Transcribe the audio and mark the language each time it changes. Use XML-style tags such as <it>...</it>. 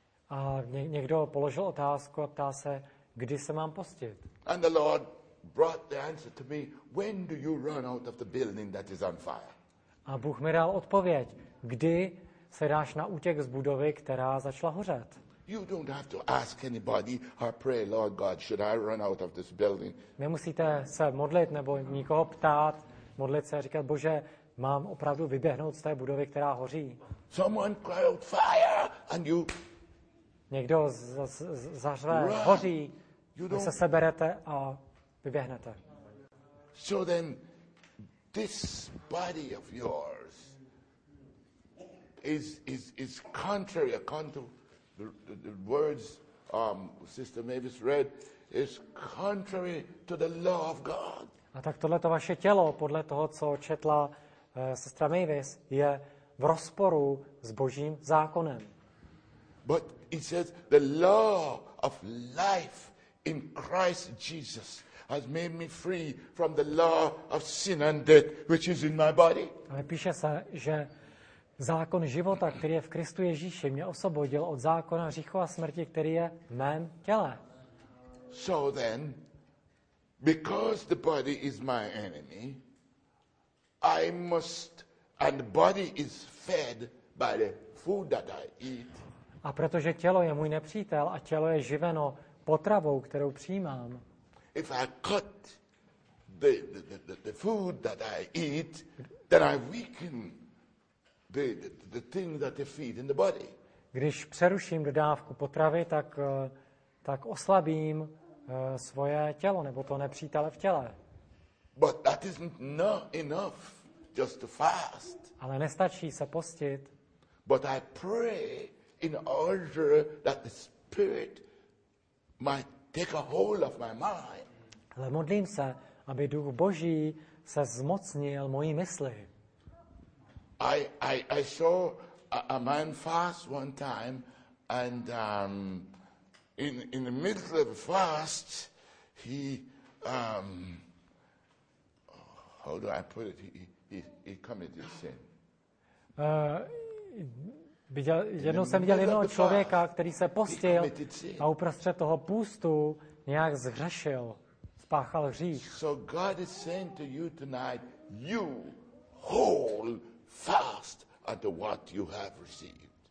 <cs>A někdo položil otázku a ptá se, kdy se mám postit?</cs> <en>And the Lord brought the answer to me, when do you run out of the building that is on fire?</en> <cs>A Bůh mi dal odpověď, kdy se dáš na útěk z budovy, která začala hořet?</cs> <en>You don't have to ask anybody or pray, Lord God, should I run out of this building?</en> <cs>Nemusíte se modlit nebo nikoho ptát, modlit se a říkat, Bože, mám opravdu vyběhnout z té budovy, která hoří.</cs> <en>Someone cry out fire and you...</en> <cs>Někdo zařve, hoří, vy se seberete a vyběhnete.</cs> <en>So then, this body of yours is contrary, according to the words Sister Mavis read, is contrary to the law of God.</en> <cs>A tak tohleto vaše tělo, podle toho, co četla sestra Mavis, je v rozporu s Božím zákonem.</cs> <en>But it says the law of life in Christ Jesus has made me free from the law of sin and death, which is in my body.</en> <cs>Ale píše se, že zákon života, který je v Kristu Ježíši, mě osvobodil od zákona hříchu a smrti, který je v mém těle.</cs> <en>So then, because the body is my enemy, I must, and the body is fed by the food that I eat.</en> <cs>A protože tělo je můj nepřítel a tělo je živeno potravou, kterou přijímám.</cs> <en>If I cut the food that I eat, then I weaken the thing that they feed in the body.</en> <cs>Když přeruším dodávku potravy, tak oslabím svoje tělo nebo to nepřítele v těle.</cs> <en>But that isn't enough just to fast.</en> <cs>Ale nestačí se postit.</cs> <en>But I pray in order that the spirit might take a hold of my mind.</en> <cs>Ale modlím se, aby Duch Boží se zmocnil mojí mysli.</cs> <en>I saw a man fast one time and in the middle of the fast he how do I put it, he committed sin.</en> <cs>Jednou jsem viděl jednoho člověka, který se postil a uprostřed toho půstu nějak zhřešil, spáchal hřích.</cs> <en>So God is saying to you tonight, you whole fast at what you have received.</en>